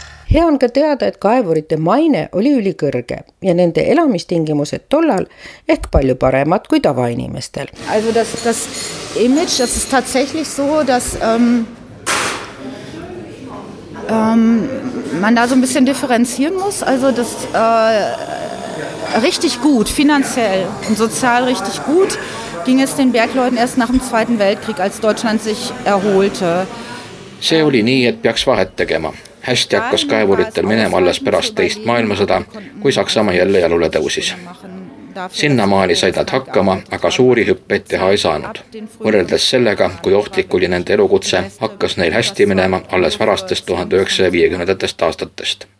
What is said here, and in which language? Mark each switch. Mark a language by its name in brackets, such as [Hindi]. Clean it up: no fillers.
[Estonian] Hea on ka teada, et kaevurite maine oli ülikõrge ja nende elamistingimused tollal ehk palju paremad kui tavainimestel. [German] Also das image, das ist tatsächlich so, dass man da so ein bisschen differenzieren muss, also das richtig gut finanziell und sozial richtig gut ging es den Bergleuten erst nach dem Zweiten Weltkrieg, als Deutschland sich erholte. [Estonian] See oli nii, et peaks vahet tegema. Hästi hakkas kaevuritel minema alles pärast teist maailmasõda, kui Saksamaa jälle jalule tõusis. Sinna maali said nad hakkama, aga suuri hüppeid teha ei saanud. Võrreldes sellega, kui ohtlik oli nende elukutse, hakkas neil hästi minema alles varastest 1950. aastatest.